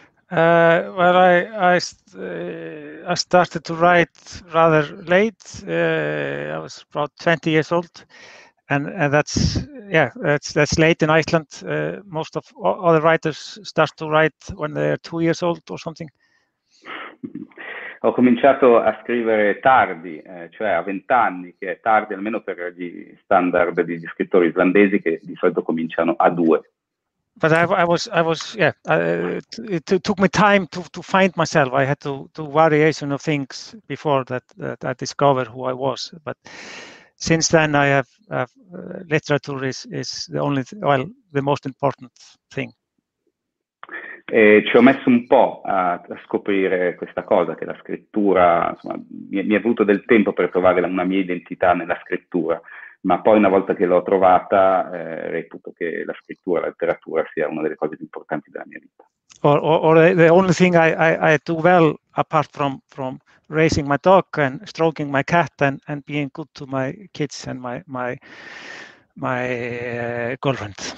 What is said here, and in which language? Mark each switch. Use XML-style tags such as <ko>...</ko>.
<en>I started to write rather late. I was about 20 years old, and that's late in Iceland. Most of other writers start to write when they are 2 years old or something.</en> <it>Ho cominciato a scrivere tardi, cioè a 20 anni, che è tardi almeno per gli standard degli scrittori islandesi, che di solito cominciano a 2.</it> <en>But it took me time to find myself. I had to do variation of things before that I discovered who I was. But since then, I have literature is the only the most important thing.</en> <it>E ci ho messo un po' a scoprire questa cosa, che la scrittura, insomma, mi è voluto del tempo per trovare una mia identità nella scrittura. Ma poi, una volta che l'ho trovata, reputo che la scrittura, la letteratura, sia una delle cose più importanti della mia vita.</it> <en>Or the only thing I do well, apart from raising my dog and stroking my cat and being good to my kids and my girlfriend.</en>